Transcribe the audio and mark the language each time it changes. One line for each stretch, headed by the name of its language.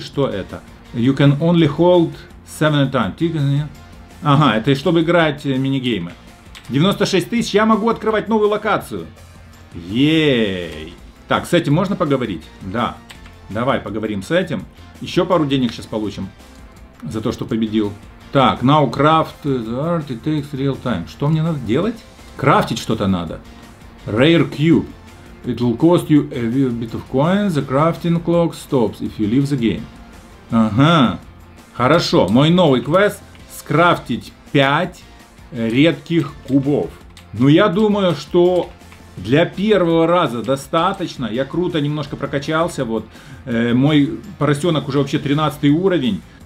Russian: Что это?
English: You can only hold 7 at a time.
Russian: Ага, это чтобы играть мини-геймы. 96 тысяч, я могу открывать новую локацию. Ей. Так, с этим можно поговорить? Да. Давай поговорим с этим. Еще пару денег сейчас получим за то, что победил.
English: Так, now craft the art, it takes real time.
Russian: Что мне надо делать? Крафтить что-то надо. Rare cube.
English: It will cost you a little bit of coins. The crafting clock stops if you leave the game.
Russian: Ага. Хорошо. Мой новый квест скрафтить 5 редких кубов. Ну, я думаю, что для первого раза достаточно. Я круто немножко прокачался. Вот мой поросенок уже вообще 13 уровень.